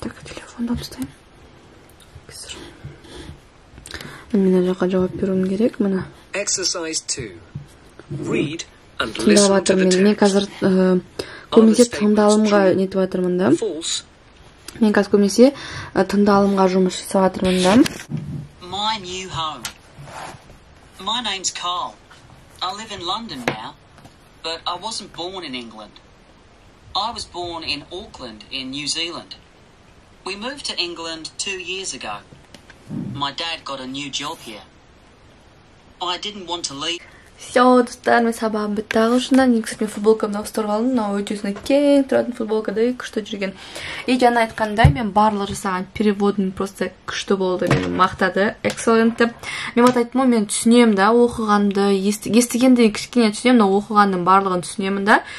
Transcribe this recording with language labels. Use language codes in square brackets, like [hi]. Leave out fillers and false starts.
[kk] Так, телефонды ұстаймын. Қазір. Мына жаққа жауап беруім керек, мына. [en] Exercise 2. Read and listen to the text. [kk] Мен қазір көбінесе тыңдалымға нетіп жатырмын да. Мен қазір көбінесе тыңдалымға жұмыс жасап жатырмын да. [en] My new home. My name's Carl. I live in London now, but I wasn't born in England. I was born in Auckland in New Zealand. We moved to England 2 years ago. My dad got a new job here. I didn't want to leave. [kk] Все, достар, мен сабағым бітті ағылшыннан. Негізі мен футболкамды ауыстырып алдым. Мынау өте сондай кең тұратын футболка да, күшті жүрген. И жаңа айтқандай, мен барлық жасаған переводым просто күшті болды, мені мақтады, экселлент деп. Мен бата айттым ғой, мен түсінемін да оқығанды, естігенді кішкене түсінемін, оқығанның барлығын түсінемін да.